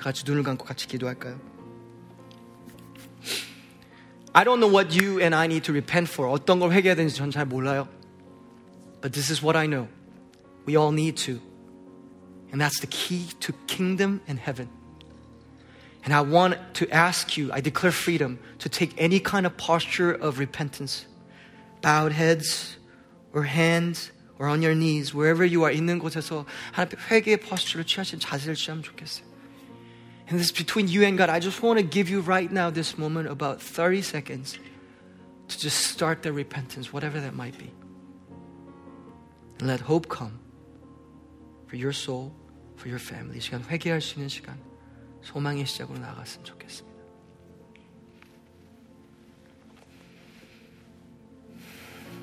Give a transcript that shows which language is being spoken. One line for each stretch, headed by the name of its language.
Korean: 같이 눈을 감고 같이 기도할까요?
English: I don't know what you and I need to repent for.
Korean: 어떤 걸 회개해야 되는지 저는 잘 몰라요.
English: But this is what I know. We all need to. And that's the key to kingdom and heaven. And I want to ask you, I declare freedom, to take any kind of posture of repentance. Bowed heads, or hands, or on your knees, wherever you are
Korean: 있는 곳에서 하나님 회개의 포스처를 취하신 자세를 취하면 좋겠어요.
English: And this is between you and God. I just want to give you right now this moment about 30 seconds to just start the repentance, whatever that might be. And let hope come for your soul, for your family.
Korean: 이 시간 회개할 수 있는 시간, 소망의 시작으로 나아갔으면 좋겠습니다.